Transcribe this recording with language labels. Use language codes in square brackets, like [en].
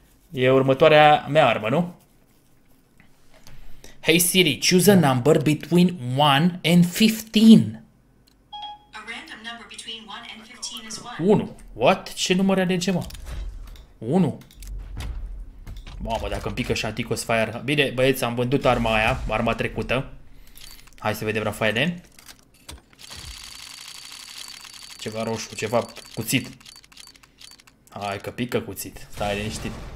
[ro] E următoarea mea armă, nu? [en] Hey Siri, choose a number between 1 and 15. A random number between 1 and 15 is [ro] 1. 1. [en] What? [ro] Ce număr alege, mă? 1. Mamă, dacă îmi pică și Anticus Fire. Bine, băieți, am vândut arma aia, arma trecută. Hai să vedem, Rafaele. Ceva roșu, ceva cuțit. Hai că pică cuțit, stai liniștit.